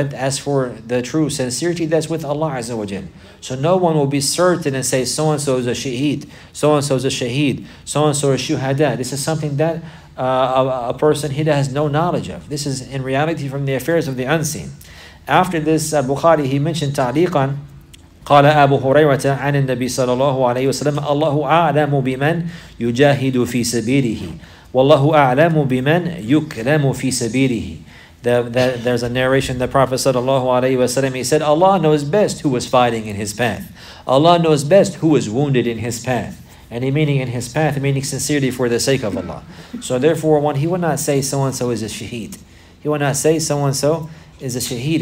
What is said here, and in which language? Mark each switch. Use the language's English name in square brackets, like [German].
[English] But as for the true sincerity, that's with Allah Azza wa Jal. So no one will be certain and say, so-and-so is a shaheed, so-and-so is a shaheed, so-and-so is a shuhada. This is something that a person, he has no knowledge of. This is in reality from the affairs of the unseen. After this, Bukhari, he mentioned ta'liqan, [Arabic] قال أبو هريرة عن النبي صلى الله عليه وسلم الله أعلم بمن يجاهد في سبيله والله أعلم بمن يكرم في سبيله. [English] There's a narration the Prophet [Arabic] صلى الله عليه وسلم, [English] he said, Allah knows best who was fighting in his path. Allah knows best who was wounded in his path. And he meaning in his path, meaning sincerely for the sake of Allah. So therefore, one, he would not say so-and-so is a shaheed. He would not say so-and-so is a shaheed.